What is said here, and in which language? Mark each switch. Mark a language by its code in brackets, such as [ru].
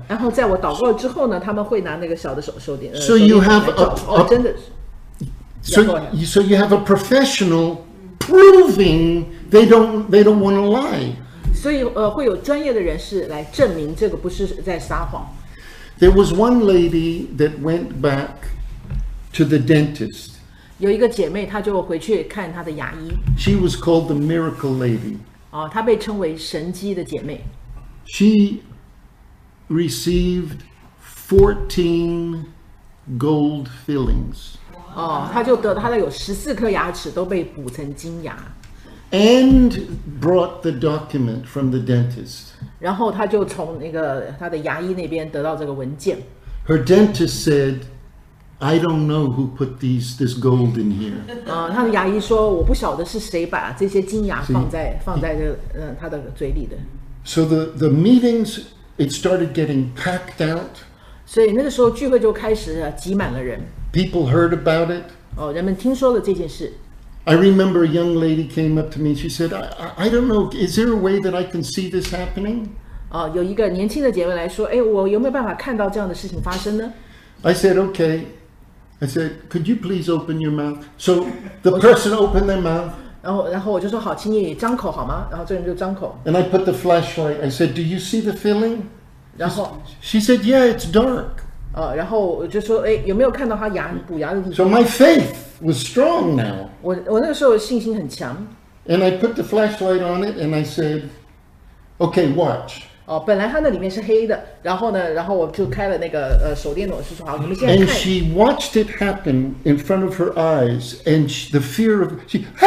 [zh] 然后在我祷告之后呢，他们会拿那个小的手电。 [en] So you have a [zh] 真的是。 [en] So you have a professional proving they don't want to lie. [zh] 所以会有专业的人士来证明这个不是在撒谎。 [en] There was one lady that went back to the dentist. [zh] 有一个姐妹，她就回去看她的牙医。 [en] She was called the Miracle Lady. [zh] 她被称为神迹的姐妹。 [en] She received 14 gold fillings. [zh] 她就得她的有14颗牙齿都被补成金牙。 [en] And brought the document from the dentist. [zh] 然后她就从那个她的牙医那边得到这个文件。 [en] Her dentist said. I don't know who put this gold in here. [zh] 他的牙医说，我不晓得是谁把这些金牙放在这他的嘴里的。 [en] So the meetings it started getting packed out. [zh] 所以那个时候聚会就开始挤满了人。 [en] People heard about it. [zh] 人们听说了这件事。 [en] I remember a young lady came up to me. She said, I don't know. Is there a way that I can see this happening? [zh] 有一个年轻的姐妹来说，我有没有办法看到这样的事情发生呢？ [en] I said, okay. I said, could you please open your mouth? So the person opened their mouth. [zh] 然后我就说好，请你张口好吗？然后这人就张口。 [en] And I put the flashlight. I said, do you see the filling? [zh] 然后 [en] she said, yeah, it's dark. [zh] 然后我就说，有没有看到他补牙的地方？ [en] So my faith was strong now. [zh] 我那个时候信心很强。 [en] And I put the flashlight on it and I said, okay, watch. [zh] 本来它那里面是黑的，然后呢，然后我就开了那个手电筒，是说好，你们现在看。 [en] And she watched it happen in front of her eyes, and the fear of she,